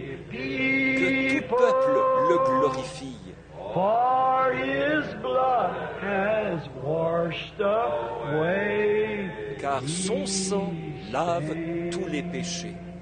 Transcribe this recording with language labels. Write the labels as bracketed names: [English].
[French] Que tout peuple le glorifie. [English] For his blood has washed away. [French] Car son sang lave tous les péchés.